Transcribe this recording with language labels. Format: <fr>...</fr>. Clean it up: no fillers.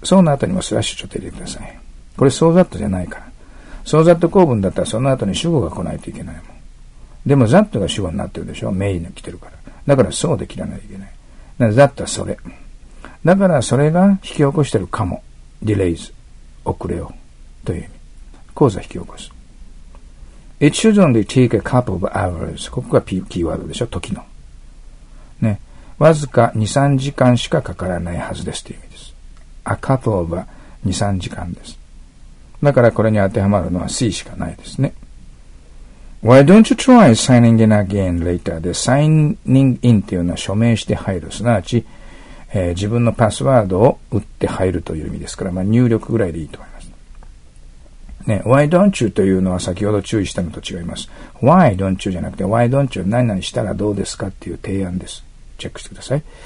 <ja>そうの後にもスラッシュちょっと入れてください。これそうだったじゃないから。そうだった構文だったらその後に主語が来ないといけないもん。でもthatが主語になってるでしょ、メインに来てるから。だからそうで切らないといけない。だからthatはそれ。だからそれが引き起こしてるかも。 delays, 遅れをという意味。講座引き起こす。</ja> <en>It should only take a couple of hours.</en> <ja>ここがキーワードでしょ、時の。ね。わずか2、3時間しかかからないはずですという意味です。 a couple of 2、3時間です。だからこれに当てはまるのは C しかないですね。</ja> <en>Why don't you try signing in again later?</en> <ja>で、signing in というのは署名して入る。すなわち、自分のパスワードを打って入るという意味ですから、まあ、入力ぐらいでいいと思います。ね、why don't you というのは先ほど注意したのと違います。why don't you じゃなくて、why don't you 何々したらどうですかっていう提案です。チェックしてください。</ja>